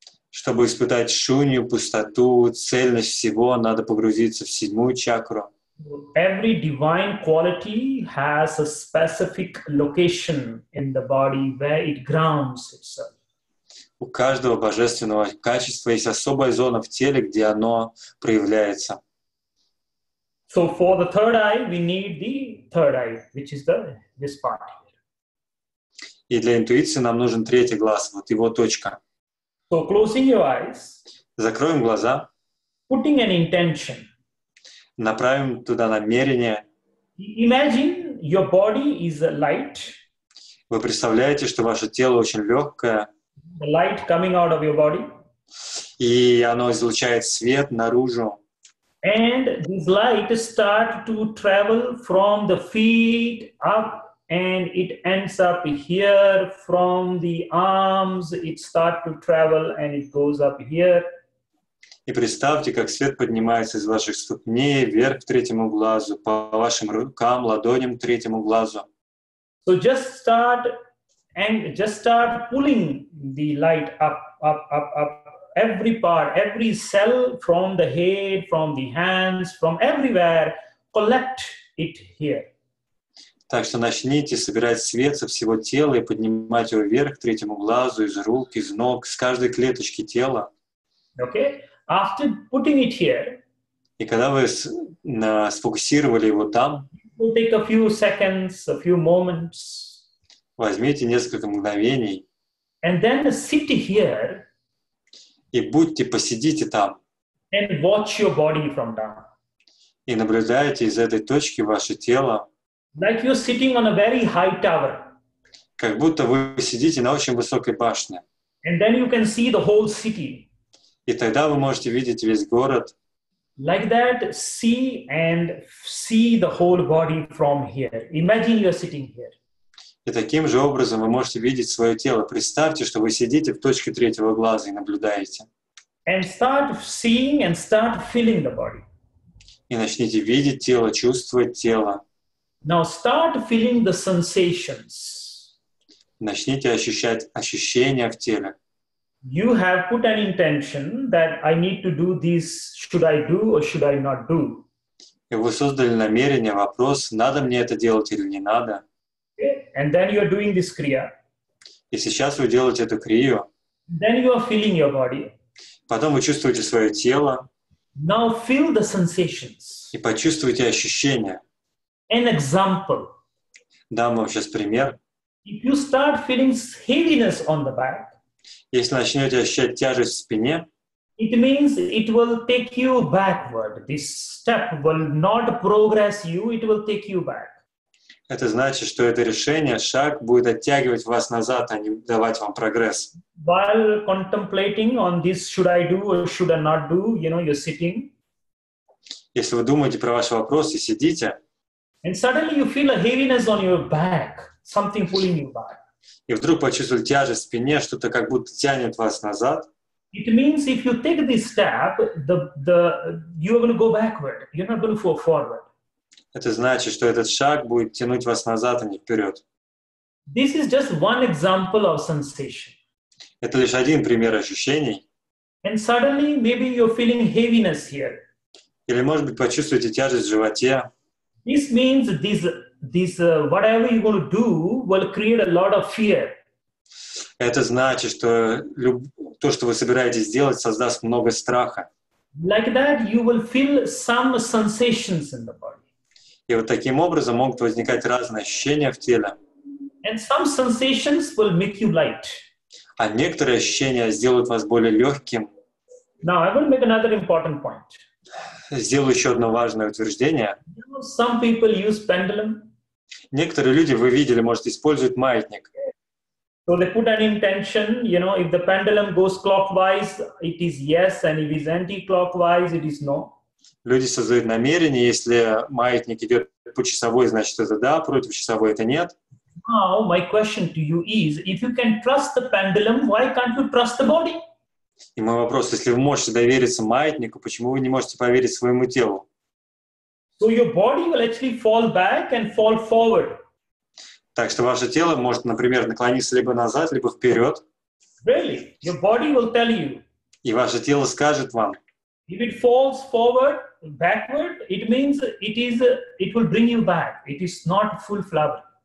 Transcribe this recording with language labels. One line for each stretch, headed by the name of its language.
Russian: Чтобы испытать шунью, пустоту, цельность всего, надо погрузиться в седьмую чакру.
English: Every divine quality has a specific location in the body where it grounds itself.
Russian: У каждого божественного качества есть особая зона в теле, где оно проявляется.
English: So for the third eye, we need the third eye, which is this part here.
Russian: И для интуиции нам нужен третий глаз, вот его точка.
English: So closing your eyes.
Russian: Закроем глаза.
English: Putting an intention.
Russian: Направим туда намерение.
English: Imagine your body is light.
Russian: Вы представляете, что ваше тело очень легкое.
English: The light coming out of your body.
Russian: И оно излучает свет наружу.
English: And this light starts to travel from the feet up, and it ends up here. From the arms, it starts to travel, and it goes up here.
Russian: И представьте, как свет поднимается из ваших ступней вверх к третьему глазу, по вашим рукам, ладоням к третьему глазу.
English: So just start pulling the light up, up, up, up, every part, every cell from the head, from the hands, from everywhere, collect it here.
Russian: Так что начните собирать свет со всего тела и поднимать его вверх к третьему глазу, из рук, из ног, с каждой клеточки тела.
English: Okay. After putting it here,
Russian: и когда вы сфокусировали его там,
English: will take a few seconds, a few moments,
Russian: возьмите несколько мгновений
English: and then sit here,
Russian: и будьте, посидите там
English: and watch your body from down.
Russian: И наблюдайте из этой точки ваше тело.
English: Like you're sitting on a very high tower.
Russian: Как будто вы сидите на очень высокой башне.
English: And then you can see the whole city.
Russian: И тогда вы можете видеть весь город.
English: Like that, see and see the whole body from here. Imagine you're sitting here.
Russian: И таким же образом вы можете видеть свое тело. Представьте, что вы сидите в точке третьего глаза и наблюдаете.
English: And start seeing and start feeling the body.
Russian: И начните видеть тело, чувствовать тело.
English: Now start feeling the sensations.
Russian: Начните ощущать ощущения в теле.
English: You have put an intention that I need to do this. Should I do or should I not do?
Russian: И вы создали намерение, вопрос, надо мне это делать или не надо.
English: And then you are doing this kriya.
Russian: И сейчас вы делаете эту крию.
English: Then you are feeling your body.
Russian: Потом вы чувствуете свое тело.
English: Now feel the sensations.
Russian: И почувствуйте ощущения.
English: An example.
Russian: Дам вам сейчас пример.
English: If you start feeling heaviness on the back,
Russian: если начнете ощущать тяжесть в спине,
English: it means it will take you backward. This step will not progress you, it will take you back.
Russian: Это значит, что это решение, шаг будет оттягивать вас назад, а не давать вам прогресс.
English: While contemplating on this, should I do or should I not do, you know, you're sitting.
Russian: Если вы думаете про ваш вопрос и сидите,
English: and suddenly you feel a heaviness on your back, something pulling you back.
Russian: И вдруг почувствовали тяжесть в спине, что-то как будто тянет вас назад.
English: It means if you take this step, you are going to go backward. You're not going to fall forward.
Russian: Это значит, что этот шаг будет тянуть вас назад, а не вперед.
English: This is just one example of sensation.
Russian: Это лишь один пример ощущений.
English: And suddenly maybe you're feeling heaviness here.
Russian: Или, может быть, почувствуете тяжесть в животе.
English: This means this whatever you're going to do will create a lot of fear.
Russian: Это значит, что то, что вы собираетесь делать, создаст много страха.
English: Like that, you will feel some sensations in the body.
Russian: И вот таким образом могут возникать разные ощущения в теле.
English: And some sensations will make you light.
Russian: А некоторые ощущения сделают вас более легким.
English: Now I will make another important point.
Russian: Сделаю еще одно важное утверждение.
English: Some people use pendulum.
Russian: Некоторые люди, вы видели, может, используют маятник.
English: So they put an intention, you know, if the pendulum goes clockwise, it is yes, and if it is anti-clockwise, it is no.
Russian: Люди создают намерение, если маятник идет по часовой, значит, это да, против часовой, это нет.
English: Now, my question to you is, if you can trust the pendulum, why can't you trust the body?
Russian: И мой вопрос, если вы можете довериться маятнику, почему вы не можете поверить своему телу?
English: So your body will actually fall back and fall forward.
Russian: Так что ваше тело может, например, наклониться либо назад, либо вперед.
English: Really? Your body will tell you.
Russian: И ваше тело скажет вам.
English: If it falls forward, backward, it means it will bring you back. It is not full flower.